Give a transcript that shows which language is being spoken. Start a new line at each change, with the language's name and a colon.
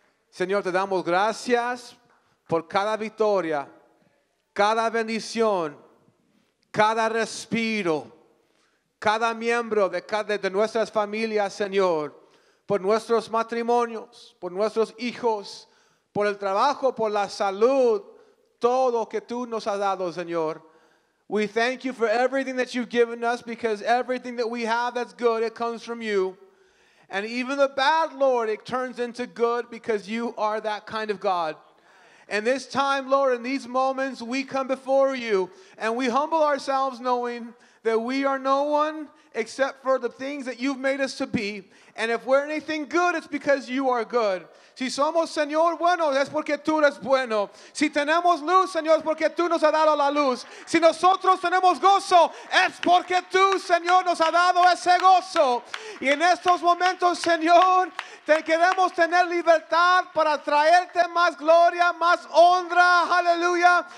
Spanish: Señor, te damos gracias por cada victoria, cada bendición, cada respiro, cada miembro de nuestras familias, Señor, por nuestros matrimonios, por nuestros hijos, por el trabajo, por la salud, todo que tú nos has dado, Señor.
English: We thank you for everything that you've given us, because everything that we have that's good, it comes from you. And even the bad, Lord, it turns into good because you are that kind of God. And this time, Lord, in these moments, we come before you and we humble ourselves knowing that we are no one except for the things that you've made us to be. And if we're anything good, it's because you are good.
Spanish: Si somos, Señor, bueno, es porque tú eres bueno. Si tenemos luz, Señor, es porque tú nos has dado la luz. Si nosotros tenemos gozo, es porque tú, Señor, nos has dado ese gozo. Y en estos momentos, Señor, te queremos tener libertad para traerte más gloria, más honra. Aleluya.